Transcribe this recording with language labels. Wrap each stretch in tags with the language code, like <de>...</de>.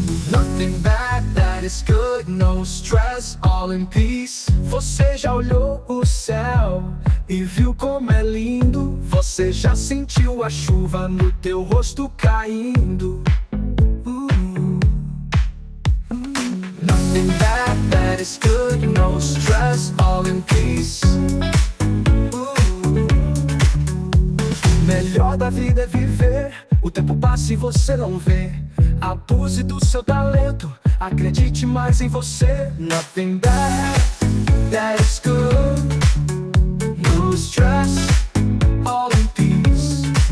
<en>Nothing bad that is good, no stress, all in peace.</en> <pt>Você já olhou o céu e viu como é lindo. Você já sentiu a chuva no teu rosto caindo.</pt> <en>Nothing bad that is good, no stress, all in peace.</en> <pt>Melhor da vida é viver, o tempo passa e você não vê. Abuse do seu talento, acredite mais em você.</pt> <en>Nothing bad that is good, no stress, all in peace.</en>